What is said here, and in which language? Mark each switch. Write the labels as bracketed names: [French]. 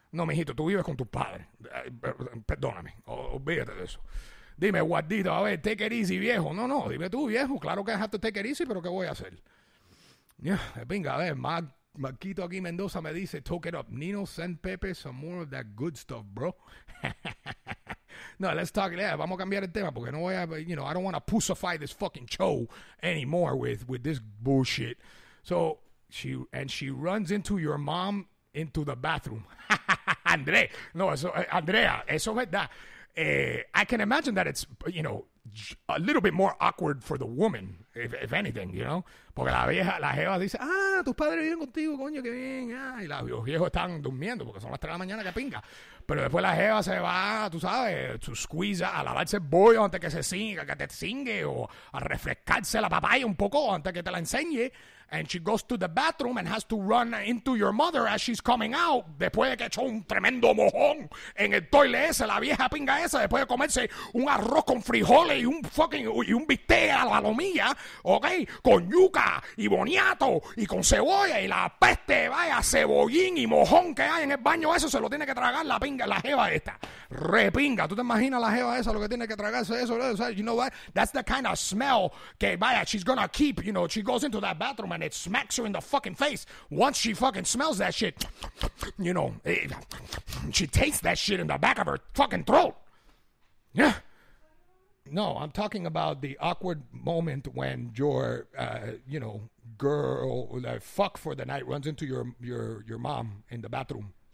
[Spanish] No, mijito, tú vives con tus padres. Perdóname, olvídate de eso. Dime, guardito, a ver, [English] take it easy, [Spanish] viejo. No, no, dime tú, viejo. Claro que dejaste [English] take it easy, [Spanish] pero ¿qué voy a hacer? Yeah, venga, a ver, Marquito aquí Mendoza me dice, [English] talk it up. Nino, send Pepe some more of that good stuff, bro. No, let's talk, yeah, [Spanish] vamos a cambiar el tema porque no voy a, [English] you know, I don't want to pussify this fucking show anymore with this bullshit. So, she runs into your mom into the bathroom. André, no, eso, Andrea, [Spanish] eso es verdad. [English] I can imagine that it's, you know, a little bit more awkward for the woman, if anything, you know. [Spanish] Porque la vieja, la jeva dice, ah, tus padres viven contigo, coño, qué bien. Ah, y los viejos están durmiendo porque son las 3 de la mañana, qué pinga. Pero después la jeva se va, tú sabes, [English] to squeeze [Spanish] a lavarse el bollo antes que se singe, que te singue, o a refrescarse la papaya un poco antes que te la enseñe. [English] And she goes to the bathroom and has to run into your mother as she's coming out. [Spanish] Después de que echó un tremendo mojón en el toilet ese, la vieja pinga esa, después de comerse un arroz con frijoles y un fucking, y un bistec a la lomilla, ok, con yuca y boniato y con cebolla y la peste, vaya, cebollín y mojón que hay en el baño, eso se lo tiene que tragar la pinga, la jeva esta. Repinga, ¿tú te imaginas la jeva esa lo que tiene que tragarse eso? [English] You know what? That's the kind of smell [Spanish] que, vaya, [English] she's gonna keep, you know, she goes into that bathroom and it smacks her in the fucking face once she fucking smells that shit. You know, she tastes that shit in the back of her fucking throat. Yeah. No, I'm talking about the awkward moment when your, you know, girl, like, fuck for the night, runs into your mom in the bathroom.